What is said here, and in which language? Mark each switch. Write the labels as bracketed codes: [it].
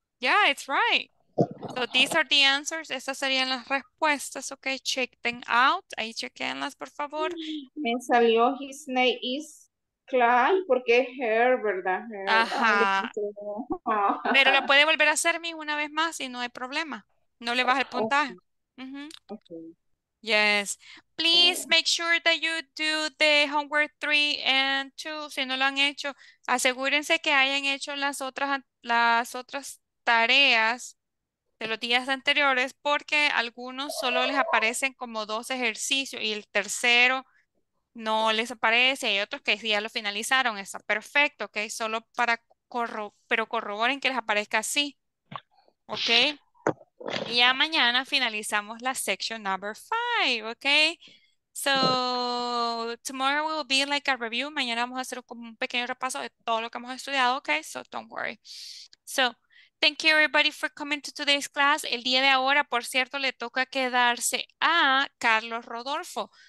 [en] Yeah, it's right. So these are the answers. [es] Estas serían las respuestas. [en] Okay, check them out. [es] Ahí chequenlas, por favor. Me salió [en] his name is Clyde [es] porque es her, ¿verdad? [en] Her. Ajá. [es] Pero lo puede volver a hacer, mi, una vez más y no hay problema. No le baja el puntaje. [en] Okay. Yes. Please make sure that you do the homework 3 and 2. [es] Si no lo han hecho, asegúrense que hayan hecho las otras tareas de los días anteriores, porque algunos solo les aparecen como 2 ejercicios y el tercero no les aparece. Hay otros que ya lo finalizaron, está perfecto, ok. Solo para corroboren que les aparezca así, ok. Y ya mañana finalizamos la section number 5, ok. [en] So, tomorrow will be like a review. [es] Mañana vamos a hacer como un pequeño repaso de todo lo que hemos estudiado, ok. [en] So, don't worry. So, thank you everybody for coming to today's class. [es] El día de ahora, por cierto, le toca quedarse a Carlos Rodolfo.